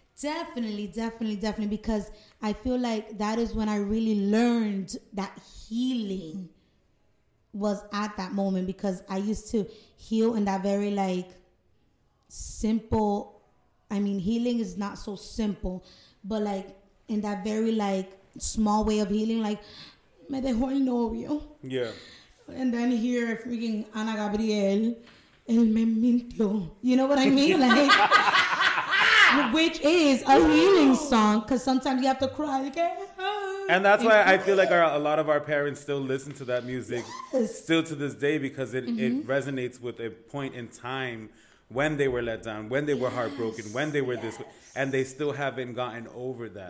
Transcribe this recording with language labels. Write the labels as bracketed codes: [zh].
[en] Definitely, because I feel like that is when I really learned that healing was at that moment, because I used to heal in that very, like, simple, I mean, healing is not so simple, but, like, in that very, like, small way of healing, like, [es] me dejó el novio. [en] Yeah. And then here, freaking Ana Gabriel, [es] él me mintió. [en] You know what I mean? Like... Which is a healing song, because sometimes you have to cry. Like, and that's why I feel like a lot of our parents still listen to that music still to this day, because it resonates with a point in time when they were let down, when they were heartbroken, when they were this, and they still haven't gotten over that.